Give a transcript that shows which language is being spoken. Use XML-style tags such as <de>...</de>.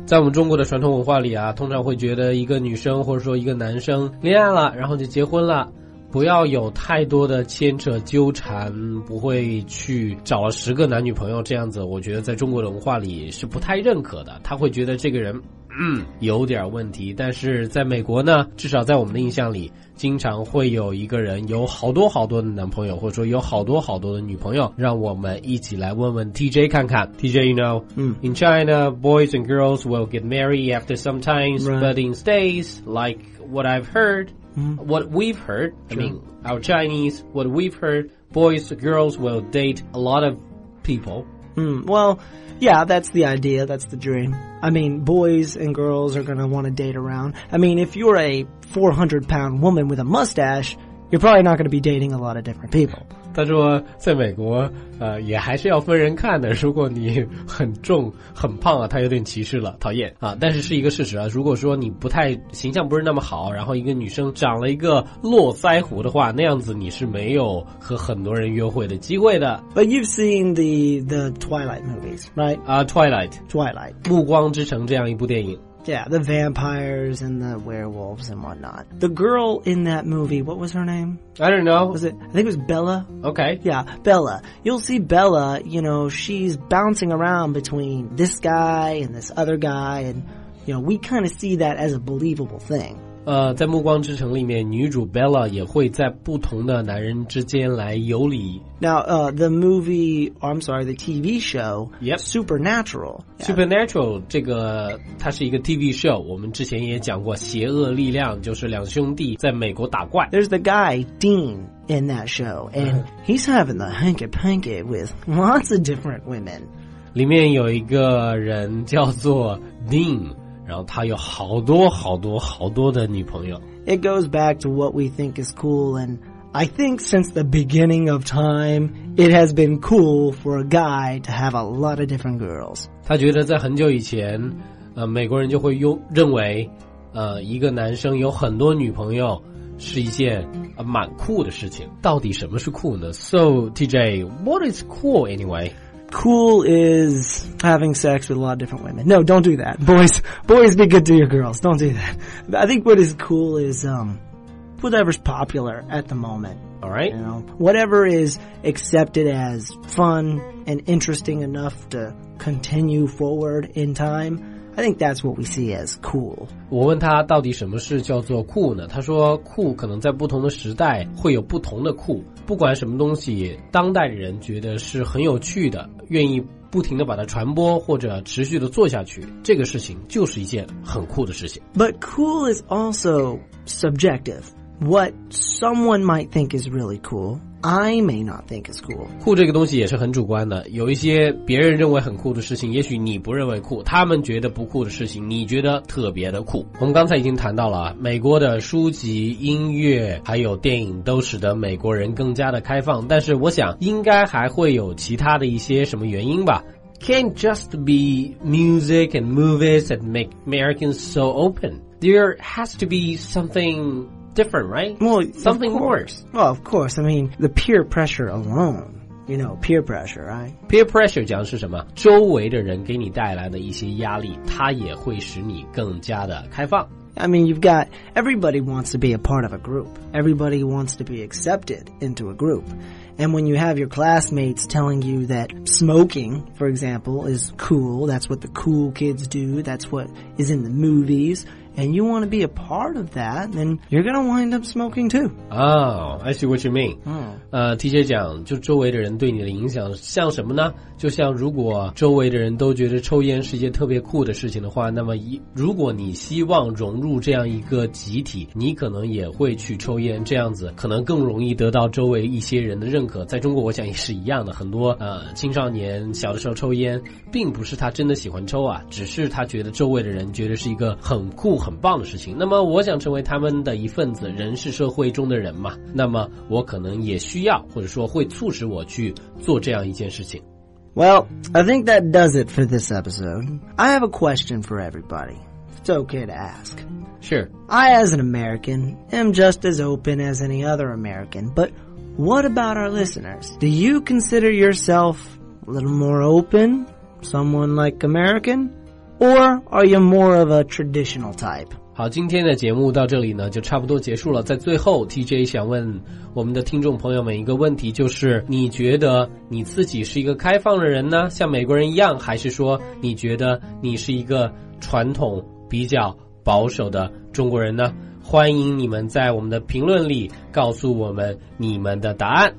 <zh>在我们中国的传统文化里啊，通常会觉得一个女生或者说一个男生恋爱了然后就结婚了，不要有太多的牵扯纠缠，不会去找了10个男女朋友这样子，我觉得在中国的文化里是不太认可的，他会觉得这个人有点问题，但是在美国呢，至少在我们的印象里，经常会有一个人有好多好多的男朋友，或者说有好多好多的女朋友。让我们一起来问问 TJ 看看。</zh> <en>TJ, you know,in China, boys and girls will get married after some time, but in states, like what I've heard,what we've heard,I mean, our Chinese, what we've heard, boys and girls will date a lot of people. Well, yeah, that's the idea. That's the dream. I mean, boys and girls are going to want to date around. I mean, if you're a 400-pound woman with a mustache, you're probably not going to be dating a lot of different people.</en> <zh>他说在美国也还是要分人看的，如果你很重很胖啊，他有点歧视了，讨厌啊。但是是一个事实啊，如果说你不太形象不是那么好，然后一个女生长了一个络腮胡的话，那样子你是没有和很多人约会的机会的。</zh> <en>But you've seen the Twilight movies, right? Twilight</en> <zh>暮光之城这样一部电影。</zh> <en>Yeah, the vampires and the werewolves and whatnot. The girl in that movie, what was her name? I don't know. I think it was Bella. Okay. Yeah, Bella. You'll see Bella, you know, she's bouncing around between this guy and this other guy. And, you know, we kind of see that as a believable thing.</en> <zh>在暮光之城里面，女主 Bella 也会在不同的男人之间来游离。</zh> <en>Now, the movie, or I'm sorry, the TV show, yep. Supernatural.</en> <zh>Yeah. Supernatural, 这个它是一个 TV show, 我们之前也讲过邪恶力量，就是两兄弟在美国打怪。</zh> <en>There's the guy, Dean, in that show, and he's having the hanky-panky with lots of different women.</en> <zh>里面有一个人叫做 Dean,然后他有好多好多好多的女朋友。</zh> <en>It goes back to what we think is cool, and I think since the beginning of time, it has been cool for a guy to have a lot of different girls.</en> <zh>他觉得在很久以前，美国人就会认为，一个男生有很多女朋友是一件蛮酷的事情。到底什么是酷呢？</zh> <en>So TJ, what is cool anyway? Cool is having sex with a lot of different women. No, don't do that. Boys, be good to your girls. Don't do that. I think what is cool is whatever's popular at the moment. All right. You know, whatever is accepted as fun and interesting enough to continue forward in time, I think that's what we see as cool.</en> <zh>我问他到底什么是叫做酷呢？他说酷可能在不同的时代会有不同的酷。不管什么东西，当代人觉得是很有趣的，愿意不停地把它传播或者持续地做下去，这个事情就是一件很酷的事情。</zh> <en>But cool is also subjective. What someone might think is really cool, I may not think is cool.</en> <zh>酷这个东西也是很主观的，有一些别人认为很酷的事情，也许你不认为酷，他们觉得不酷的事情，你觉得特别的酷。我们刚才已经谈到了，美国的书籍、音乐还有电影都使得美国人更加的开放，但是我想应该还会有其他的一些什么原因吧。</zh> <en>Can't just be music and movies that make Americans so open. There has to be something... different, right? Well, something worse. Well, of course. I mean, the peer pressure alone. You know, peer pressure, right?</en> <zh>Peer pressure 讲的是什么？周围的人给你带来的一些压力，它也会使你更加的开放。</zh> <en>I mean, you've got everybody wants to be a part of a group. Everybody wants to be accepted into a group. And when you have your classmates telling you that smoking, for example, is cool, that's what the cool kids do, that's what is in the movies... And you want to be a part of that, then you're going to wind up smoking too. Oh, I see what you mean.</en> <zh>TJ 讲，就周围的人对你的影响像什么呢？就像如果周围的人都觉得抽烟是一件特别酷的事情的话，那么如果你希望融入这样一个集体，你可能也会去抽烟，这样子可能更容易得到周围一些人的认可。在中国我想也是一样的，很多青少年小的时候抽烟，并不是他真的喜欢抽啊，只是他觉得周围的人觉得是一个很酷很棒的事情，那么我想成为他们的一份子，人是社会中的人嘛，那么我可能也需要或者说会促使我去做这样一件事情。</zh> <en>Well, I think that does it for this episode. I have a question for everybody. It's okay to ask. Sure. I, as an American, am just as open as any other American, but what about our listeners? Do you consider yourself a little more open, someone like American? Or are you more of a traditional type?</en> <zh>好，今天的节目到这里呢，就差不多结束了。在最后 ,TJ 想问我们的听众朋友们一个问题，就是你觉得你自己是一个开放的人呢，像美国人一样，还是说你觉得你是一个传统比较保守的中国人呢？欢迎你们在我们的评论里告诉我们你们的答案。</zh>